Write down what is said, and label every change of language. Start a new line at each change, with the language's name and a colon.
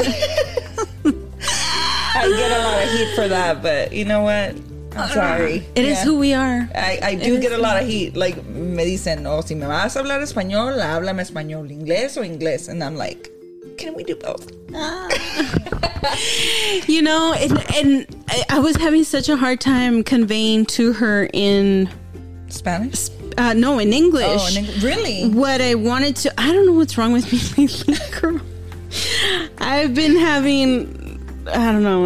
English: I get a lot of heat for that, but you know what? I'm sorry. It is who we are. I do get a lot of heat. Like,
Spanish: me dicen, si me vas a hablar español, háblame español, inglés o inglés.
English: And I'm like, can we do both? You know, and I was having such a hard time conveying to her in Spanish. In English. Oh, really? What I wanted to. I don't know what's wrong with me lately, girl. I've been having. I don't know.